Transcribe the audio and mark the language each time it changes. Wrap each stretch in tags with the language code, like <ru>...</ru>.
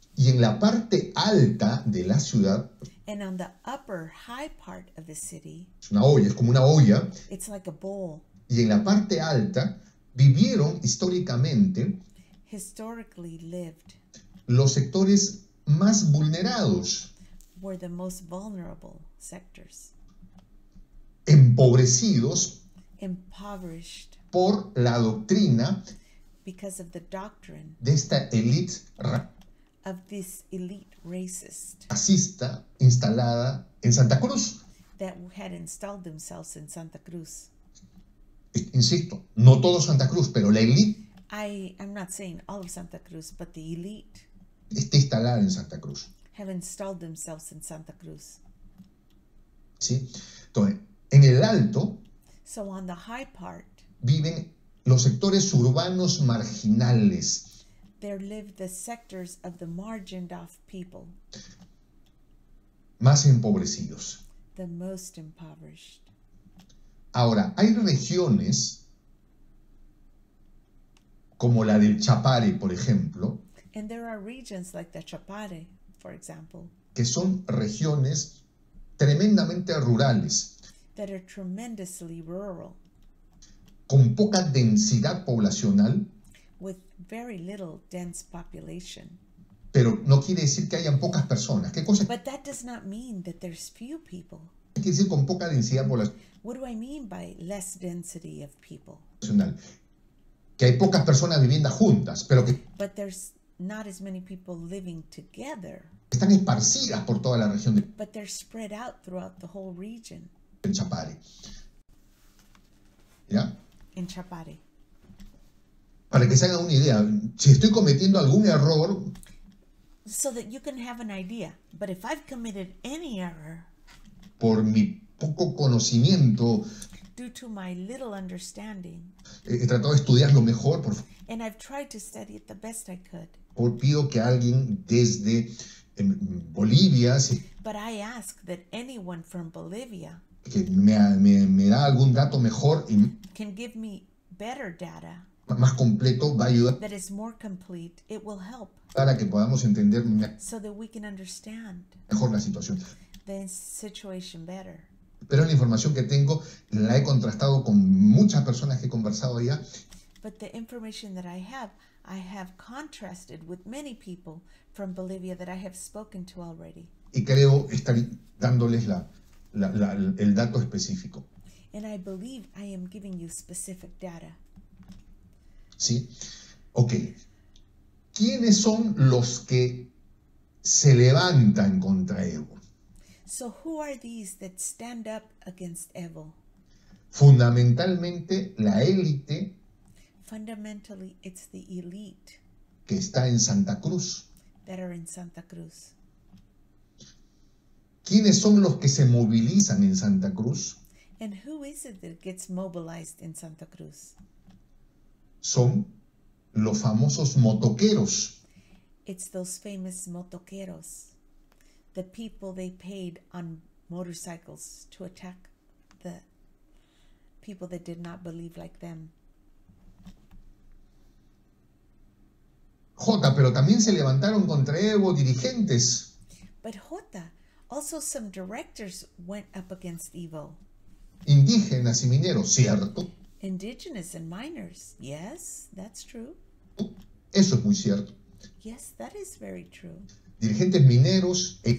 <es>Y en la parte alta de la ciudad,</es> <en>and on the upper high part of the city,</en> <es>es una olla, es como una olla,</es> <en>it's like a bowl.</en> <es>Y en la parte alta vivieron históricamente,</es> <en>historically lived,</en> <es>los sectores más vulnerados,</es> <en>were the most vulnerable sectors,</en> <es>empobrecidos,</es> <en>impoverished,</en> <es>por la doctrina,</es> <en>because of the doctrine,</en> <es>de esta élite,</es> <en>of this elite racist,</en> <es>racista, instalada en Santa Cruz,</es> <en>that had installed themselves in Santa Cruz.</en> <es>Insisto, no todo Santa Cruz, pero la élite.</es> <en>I am not saying all of Santa Cruz, but the elite</en> <es>está instalada en Santa Cruz.</es> <en>Have installed themselves in Santa Cruz.</en> <es>Sí. Entonces, en el alto,</es> <en>so on the high part,</en> <es>viven los sectores urbanos marginales,</es> <en>there live the sectors of the margined off people,</en> <es>más empobrecidos,</es> <en>the most impoverished.</en> <es>Ahora, hay regiones como la del Chapare, por ejemplo,</es> <en>and there are regions like the Chapare, for example,</en> <es>que son regiones tremendamente rurales,</es> <en>that are tremendously rural,</en> <es>con poca densidad poblacional,</es> <en>with very little dense population.</en> <es>Pero no quiere decir que hayan pocas personas. ¿Qué cosa?</es> <en>But that does not mean that there's few people.</en> <es>¿Qué quiere decir con poca densidad poblacional?</es> <en>What do I mean by less density of people?</en> <es>Que hay pocas personas viviendo juntas, pero que</es> <en>but there's not as many people living together.</en> <es>Están esparcidas por toda la región de</es> <en>but they're spread out throughout the whole region.</en> <es>En Chapare. ¿Ya? En Chapare. Para que se haga una idea, si estoy cometiendo algún error,</es> <en>so that you can have an idea, but if I've committed any error,</en> <es>por mi poco conocimiento,</es> <en>due to my little understanding,</en> <es>he tratado de estudiar lo mejor, por favor,</es> <en>and I've tried to study it the best I could,</en> <es>por pido que alguien desde Bolivia, si,</es> <en>but I ask that anyone from Bolivia,</en> <es>que me da algún dato mejor, y</es> <en>can give me better data,</en> <es>más completo, va a ayudar,</es> <en>that is more complete, it will help,</en> <es>para que podamos entender</es> <en>so that we can understand</en> <es>mejor la situación.</es> <en>The situation better.</en> <es>Pero la información que tengo la he contrastado con muchas personas que he conversado ya.</es> <en>But the information that I have contrasted with many people from Bolivia that I have spoken to already.</en> <es>Y creo estar dándoles el dato específico.</es> <en>And I believe I am giving you specific data.</en> <es>Sí. Ok. ¿Quiénes son los que se levantan contra Evo?</es> <en>So who are these that stand up against Evo?</en> <es>Fundamentalmente la élite.</es> <en>Fundamentally it's the elite.</en> <es>Que está en Santa Cruz.</es> <en>That are in Santa Cruz.</en> <es>¿Quiénes son los que se movilizan en Santa Cruz?</es> <en>And who is it that gets mobilized in Santa Cruz?</en> <es>Son los famosos motoqueros.</es> <en>It's those famous motoqueros. The people they paid on motorcycles to attack the people that did not believe like them.</en> <es>Jota, pero también se levantaron contra Evo dirigentes.</es> <en>But Jota, also some directors went up against Evo.</en> <es>Indígenas y mineros, cierto.</es> <en>Indigenous and miners. Yes, that's true.</en> <es>Eso es muy cierto.</es> <en>Yes, that is very true.</en> <es>Dirigentes mineros.</es>